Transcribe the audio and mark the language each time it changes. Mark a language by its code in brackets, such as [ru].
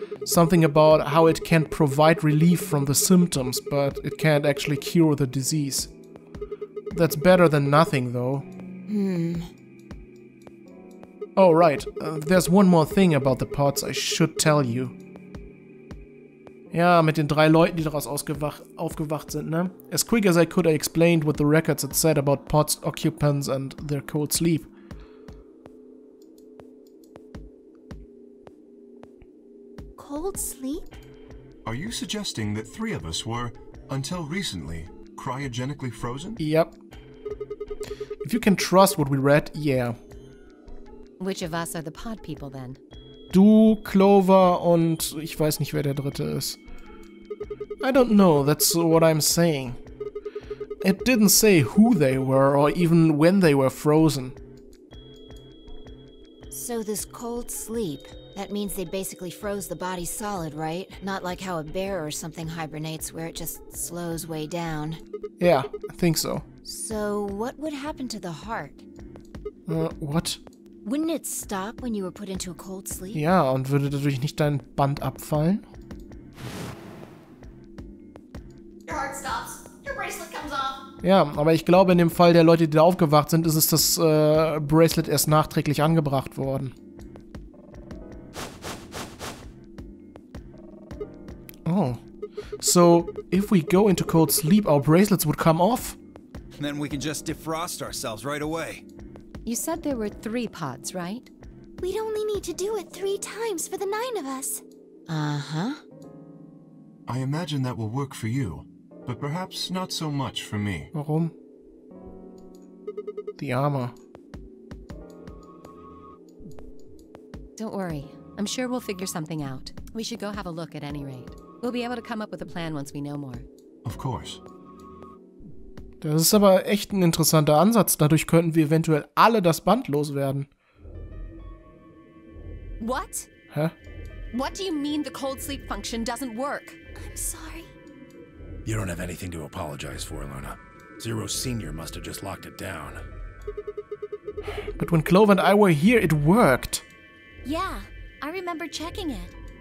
[en] Something about how it can provide relief from the symptoms, but it can't actually cure the disease. That's better than nothing, though. Hmm. Oh, right. There's one more thing about the pods I should tell you. [de] Ja, mit den drei Leuten, die daraus aufgewacht sind, ne? [en] As quick as I could, I explained what the records had said about pods occupants and their cold sleep. Cold sleep? Are you suggesting that three of us were, until recently, cryogenically frozen? Yep. If you can trust what we read, yeah. Which of us are the pod people then? [de] Du, Clover und ich weiß nicht, wer der dritte ist. [en] I don't know, that's what I'm saying. It didn't say who they were or even when they were frozen. So this cold sleep, That means they basically froze the body solid, right? Not like how a bear or something hibernates, where it just slows way down. Yeah, I think so. So, what would happen to the heart? What? Wouldn't it stop when you were put into a cold sleep? [de] Ja, und würde dadurch nicht dein Band abfallen? [en] Your heart stops. Your bracelet comes off. [de] Ja, aber ich glaube, in dem Fall der Leute, die da aufgewacht sind, ist es das Bracelet erst nachträglich angebracht worden. [en] Oh. So, if we go into cold sleep, our bracelets would come off? Then we can just defrost ourselves right away. You said there were three pots, right? We'd only need to do it three times for the nine of us. Uh-huh. I imagine that will work for you, but perhaps not so much for me. [de] Warum? [en] The armor. Don't worry. I'm sure we'll figure something out. We should go have a look at any rate. We'll be able to come up with a plan once we know more. Of course. [de] Das ist aber echt ein interessanter Ansatz. Dadurch könnten wir eventuell alle das Band loswerden. [en] What? Hä? What do you mean the cold sleep function doesn't work? I'm sorry. You don't have anything to apologize for, Luna. Zero Senior must have just locked it down. But when Clove and I were here, it worked. Yeah, I remember checking it.